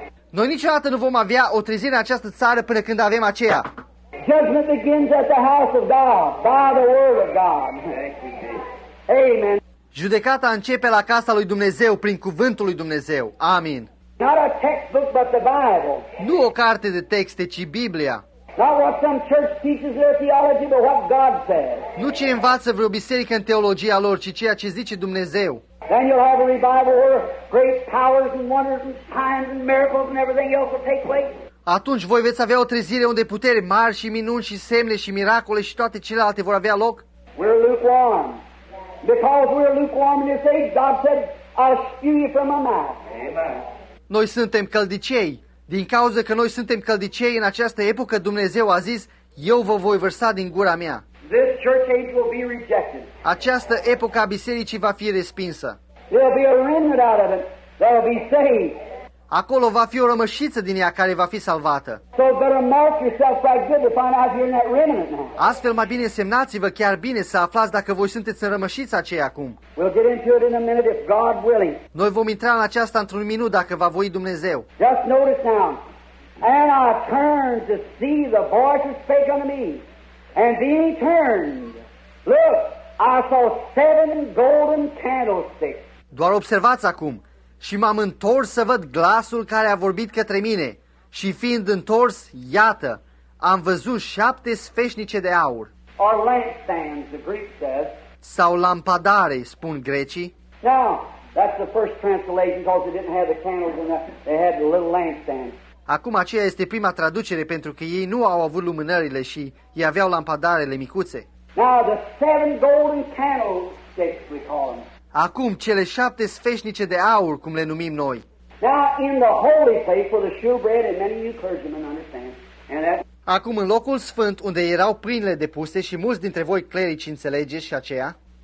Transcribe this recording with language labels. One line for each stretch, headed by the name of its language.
Romanian: Noi niciodată nu vom avea o trezire în această țară până când avem aceea.
English: Judgment begins at the house of God, by the word of God. Amen.
Romanian: Judecata începe la casa lui Dumnezeu, prin cuvântul lui Dumnezeu. Amin.
English: Not a textbook, but the Bible.
Romanian: Nu o carte de texte, ci Biblia.
English: Not what some church teaches their theology, but what God says.
Romanian: Nu ce învață vreo biserică în teologia lor, ci ceea ce zice Dumnezeu.
English: Then you'll have a revival where great powers and wonders and signs and miracles and everything else will take place.
Romanian: Atunci voi veți avea o trezire unde putere mari și minuni și semne și miracole și toate celelalte vor avea loc.
English: We're lukewarm. Because we're lukewarm in this age, God said, I'll spew you from my mouth. Amen.
Romanian: Noi suntem căldicei. Din cauza că noi suntem căldicei în această epocă, Dumnezeu a zis, eu vă voi vărsa din gura mea.
English: This church age will be rejected.
Romanian: Această epocă a bisericii va fi respinsă.
English: There'll be a remnant out of it. They'll be saved.
Romanian: Acolo va fi o rămășiță din ea care va fi salvată.
English: So better mark yourself right good to find out if you're in that remnant now.
Romanian: Astfel mai bine semnați-vă chiar bine să aflați dacă voi sunteți în rămășița aceea acum.
English: We'll get into it in a minute if God willing.
Romanian: Noi vom intra în aceasta într-un minut dacă va voi Dumnezeu.
English: Just notice now. And I turned to see the voice that spake unto me. And being turned, Look, I saw seven golden candlesticks.
Romanian: Doar observați acum. Și m-am întors să văd glasul care a vorbit către mine. Și fiind întors, iată, am văzut șapte sfeșnice de aur.
English: Or lampstands, the Greek says.
Romanian: Sau lampadare, spun grecii.
English: Now, that's the first translation because they didn't have the candles and they had the little lampstands.
Romanian: Acum aceea este prima traducere pentru că ei nu au avut lumânările și ei aveau lampadarele micuțe.
English: Now, the seven golden candlesticks, we call them.
Romanian: Acum cele șapte sfeșnice de aur, cum le numim noi.
English: Now, in the holy place for the shewbread and many you clergymen understand. And that...
Romanian: Acum în locul sfânt unde erau pâinile depuse și mulți dintre voi clerici înțelegeți și aceea.